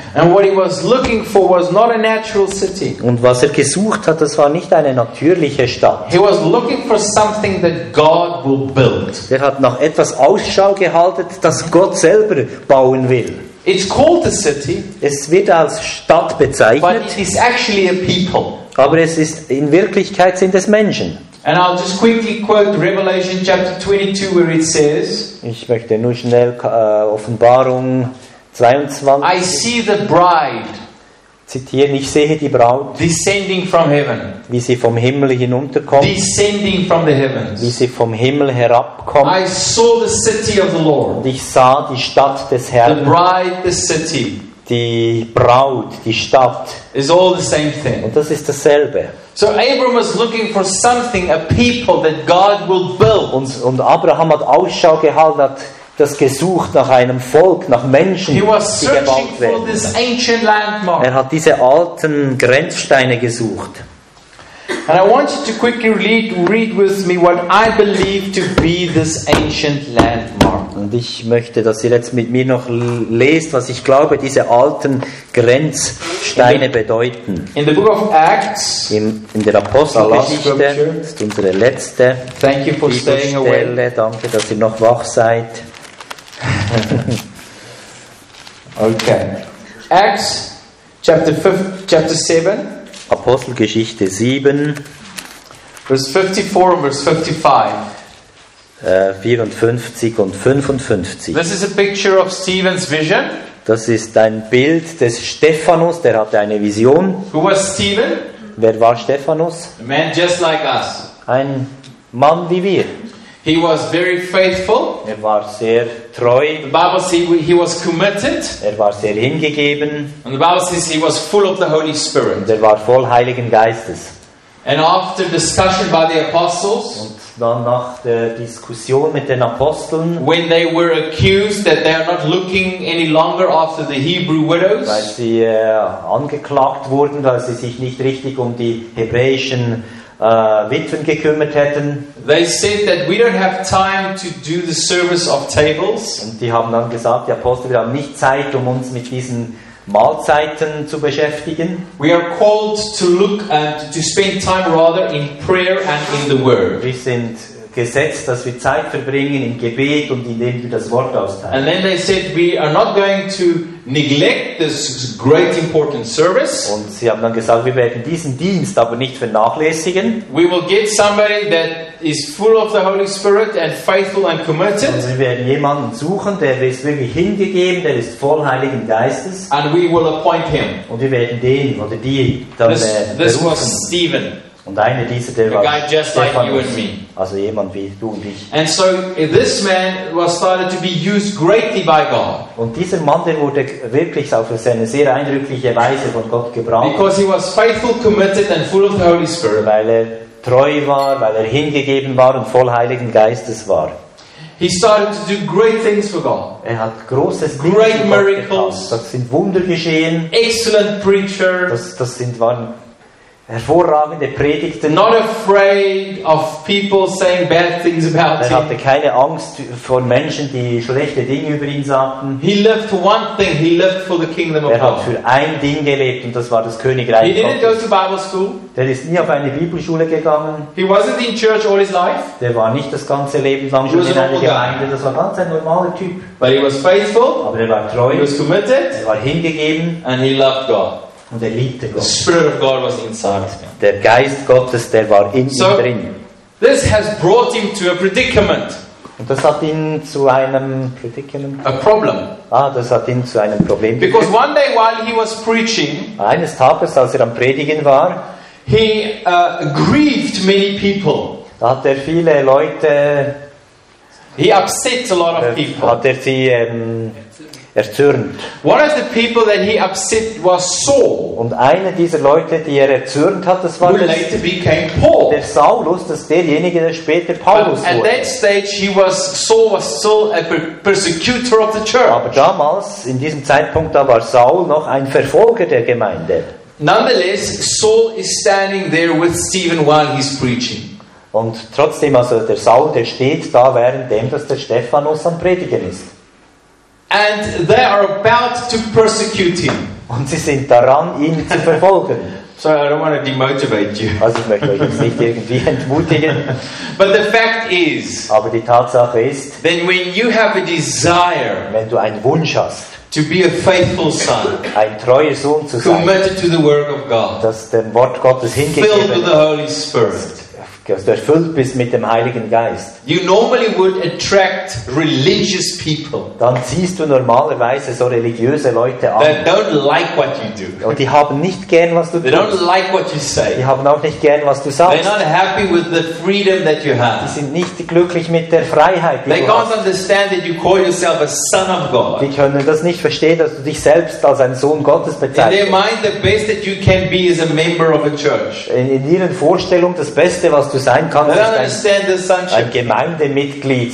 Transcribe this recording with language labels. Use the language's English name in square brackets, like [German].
[English] And what he was looking for was not a natural city. [German] Und was er gesucht hat, das war nicht eine natürliche Stadt. [English] He was looking for something that God will build. [German] Er hat nach etwas Ausschau gehalten, das Gott selber bauen will. [English] It's called a city. [German] Es wird als Stadt bezeichnet. [English] But it is actually a people. [German] Aber es ist in Wirklichkeit sind es Menschen. [English] And I'll just quickly quote Revelation chapter 22 where it says, [German] ich möchte nur schnell Offenbarung 22. [English] I see the bride. [German] Zitieren, ich sehe die Braut. [English] Descending from heaven. [German] Wie sie vom Himmel hinunterkommt. [English] Descending from the heavens. [German] Wie sie vom Himmel herabkommt. [English] I saw the city of the Lord. [German] Und ich sah die Stadt des Herrn. [English] The bride, the city. [German] Die Braut, die Stadt. [English] Is all the same thing. [German] Und das ist dasselbe. [English] So Abram was looking for something, a people that God will build. [German] Und Abraham hat Ausschau gehalten, hat das gesucht nach einem Volk, nach Menschen, die gebaut werden. [English] He was searching for this ancient landmark. [German] Er hat diese alten Grenzsteine gesucht. [English] And I want you to quickly read with me what I believe to be this ancient landmark. [German] Und ich möchte, dass ihr jetzt mit mir noch lest, was ich glaube, diese alten Grenzsteine bedeuten. [English] In the book of Acts, [German] in der Apostelgeschichte, ist unsere letzte Bibelstelle. Danke, dass ihr noch wach seid. [English] Okay. Acts, chapter 7. [German] Apostelgeschichte 7. Vers 54 und Vers 55. 54 und 55. [English] This is a picture of Stephen's vision. [German] Das ist ein Bild des Stephanus, der hatte eine Vision. [English] Who was Stephen? [German] Wer war Stephanus? [English] A man just like us. [German] Ein Mann wie wir. [English] He was very faithful. [German] Er war sehr treu. [English] The Bible says he was committed. [German] Er war sehr hingegeben. [English] And the Bible says he was full of the Holy Spirit. [German] Und er war voll Heiligen Geistes. [English] And after discussion by the apostles, [German] und dann nach der Diskussion mit den Aposteln, [English] when they were accused that they are not looking any longer after the Hebrew widows, [German] weil sie angeklagt wurden, weil sie sich nicht richtig um die hebräischen Witwen gekümmert hätten. [English] They said that we don't have time to do the service of tables. [German] Und die haben dann gesagt, die Apostel, wir haben nicht Zeit, um uns mit diesen Mahlzeiten zu beschäftigen. [English] We are called to look and to spend time rather in prayer and in the word. [German] Wir sind gesetzt, dass wir Zeit verbringen im Gebet und indem wir das Wort austeilen. [English] And then they said we are not going to neglect this great important service. [German] Und sie haben dann gesagt, wir werden diesen Dienst aber nicht vernachlässigen. [English] We will get somebody that is full of the Holy Spirit and faithful and committed. [German] Und wir werden jemanden suchen, der ist wirklich hingegeben, der ist voll Heiligen Geistes. [English] And we will appoint him. [German] Und wir werden den oder die dann [English] this, [German] berufen. [English] This was Stephen. [German] Und einer dieser, der war Stephanus, [English] like [German] also jemand wie du und ich. [English] And so this man was started to be used greatly by God. [German] Und dieser Mann, der wurde wirklich auf eine sehr eindrückliche Weise von Gott gebraucht. [English] Because he was faithful, committed and full of the Holy Spirit. [German] Weil er treu war, weil er hingegeben war und voll Heiligen Geistes war. [English] He started to do great things for God. [German] Er hat großes Dinge great Gott miracles. Getan. Das sind Wunder geschehen. [English] Excellent preacher. [German] Das sind waren hervorragende Predigten. [English] Not afraid of people saying bad things about him. [German] Er hatte keine Angst vor Menschen, die schlechte Dinge über ihn sagten. [English] He lived for one thing. He lived for the kingdom of God. [German] Er hat für ein Ding gelebt und das war das Königreich Gottes. [English] He didn't go to Bible school. [German] Der ist nie auf eine Bibelschule gegangen. [English] He wasn't in church all his life. [German] Der war nicht das ganze Leben lang schon in einer Gemeinde. Das war ganz ein normaler Typ. [English] But he was faithful. [German] Aber er war treu. [English] He was committed. [German] Er war hingegeben. [English] And he loved God. [German] Und er liebte Gott. [English] The Spirit of God was inside. [German] Der Geist Gottes, der war in so, ihm drin. [English] This has brought him to a predicament. [German] Und das hat ihn zu einem Predicament. [English] A problem. [German] Ah, das hat ihn zu einem Problem. [English] Because [German] geführt. [English] One day while he was preaching, [German] eines Tages, als er am Predigen war, [English] he grieved many people. [German] Da hat er viele Leute. [English] He upset a lot of people. [German] Hat er sie erzürnt. [English] One of the people that he upset was Saul. [German] Und einer dieser Leute, die er erzürnt hat, das war der Saulus, das derjenige, der später Paulus [English] at At that stage, he was, Saul was still a persecutor of the church. [German] Aber damals, in diesem Zeitpunkt, da war Saul noch ein Verfolger der Gemeinde. [English] Nonetheless, Saul is standing there with Stephen while he's preaching. [German] Und trotzdem, also der Saul, der steht da, währenddem, dass der Stephanus am Predigen ist. [English] And they are about to persecute him. [German] Und sie sind daran, ihn zu verfolgen. [English] Sorry, I don't want to demotivate you. [German] Also ich möchte euch jetzt nicht irgendwie entmutigen. [English] But the fact is, [German] aber die Tatsache ist, [English] that when you have a desire, [German] wenn du einen Wunsch hast, [English] to be a faithful son, [German] ein treuer Sohn zu sein, [English] committed to the word of God, [German] das dem Wort Gottes hingegeben, [English] filled with the Holy Spirit, [German] dass du erfüllt bist mit dem Heiligen Geist, [English] you normally would attract religious people, [German] dann ziehst du normalerweise so religiöse Leute an. [English] They don't like what you do. [German] Und die haben nicht gern, was du [English] they [German] tust. [English] Don't like what you say. [German] Die haben auch nicht gern, was du sagst. [English] They're not happy with the freedom that you have. [German] Die sind nicht glücklich mit der Freiheit, die [English] they [German] du [English] can't [German] hast. [English] Understand that you call yourself a son of God. [German] Die können das nicht verstehen, dass du dich selbst als ein Sohn Gottes bezeichnest. [English] In their mind, the best that you can be is a member of a church. [German] In ihren Vorstellungen, das Beste, was du sein kannst, ein Gemeindemitglied.